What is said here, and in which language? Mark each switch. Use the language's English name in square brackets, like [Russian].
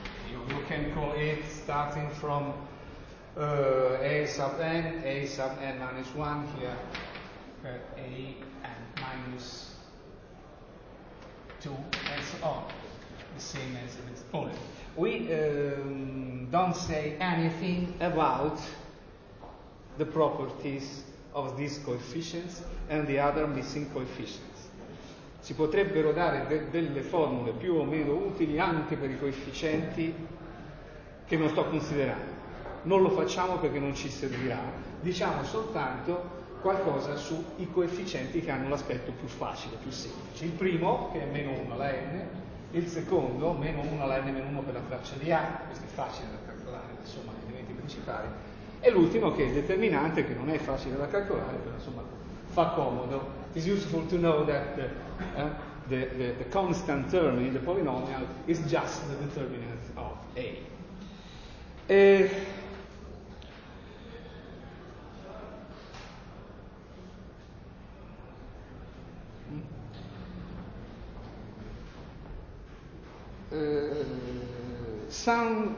[English] You can call it starting from a sub n minus 1 here, a n minus 2, and so on. The same as in this point. We don't say anything about the properties of these coefficients and the other missing coefficients. [Italian] Si potrebbero dare delle formule più o meno utili anche per i coefficienti che non sto considerando. Non lo facciamo perché non ci servirà. Diciamo soltanto qualcosa sui coefficienti che hanno l'aspetto più facile, più semplice. Il primo, che è meno 1 alla n, il secondo, meno 1 alla n meno 1 per la traccia di A, questo è facile da calcolare, insomma, gli elementi principali. E l'ultimo, che è il determinante, che non è facile da calcolare, però insomma fa comodo. [English] It's useful to know that the constant term in the polynomial is just the determinant of A.